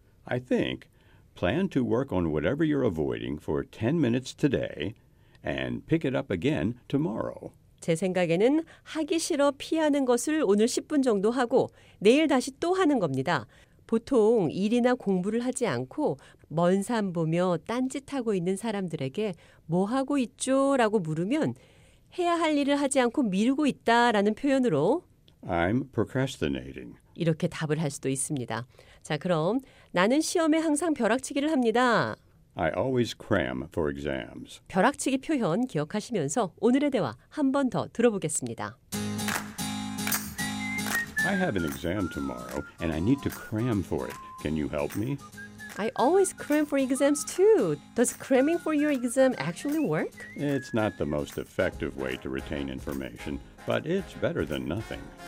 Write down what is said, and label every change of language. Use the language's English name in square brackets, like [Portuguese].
[English] I think plan to work on whatever you're avoiding for 10 minutes today and pick it up again tomorrow. [Korean] 제 생각에는 하기 싫어 피하는 것을 오늘 10분 정도 하고 내일 다시 또 하는 겁니다. 보통 일이나 공부를 하지 않고 먼산 보며 딴짓하고 있는 사람들에게 뭐 하고 있죠? 라고 물으면 해야 할 일을 하지 않고 미루고 있다라는 표현으로 [English] I'm procrastinating. [Korean] 이렇게 답을 할 수도 있습니다. 자, 그럼 나는 시험에 항상 벼락치기를 합니다. [English] I always cram for exams. [Korean] 벼락치기 표현 기억하시면서 오늘의 대화 한 번 더 들어보겠습니다. [English] I have an exam tomorrow and I need to cram for it. Can you help me? I always cram for exams too. Does cramming for your exam actually work? It's not the most effective way to retain information, but it's better than nothing.